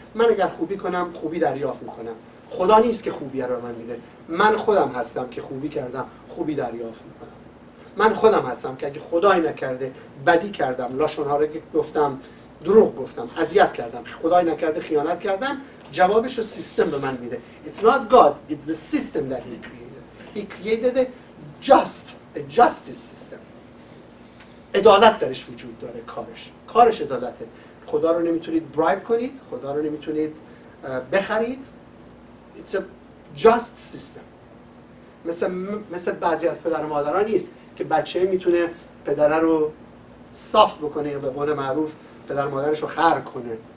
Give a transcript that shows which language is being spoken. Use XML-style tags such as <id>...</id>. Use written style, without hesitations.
<fa>من اگر خوبی کنم خوبی دریافت میکنم. خدا نیست که خوبی رو من میده، من خودم هستم که خوبی کردم خوبی دریافت میکنم. من خودم هستم که اگه خدایی نکرده بدی کردم، لاشونها رو گفتم، دروغ گفتم، اذیت کردم، خدای نکرده خیانت کردم، جوابش رو سیستم به من میده.</fa> <en>It's not God, it's the system that he created. He created a justice system.</en> <fa>عدالت درش وجود داره، کارش عدالته. خدا رو نمیتونید برایب کنید، خدا رو نمیتونید بخرید.</fa> <en>It's a just system.</en> <fa>مثل بعضی از پدر و مادران نیست که بچه میتونه پدر رو سافت بکنه یا به قول معروف پدر مادرش رو خر کنه.</fa>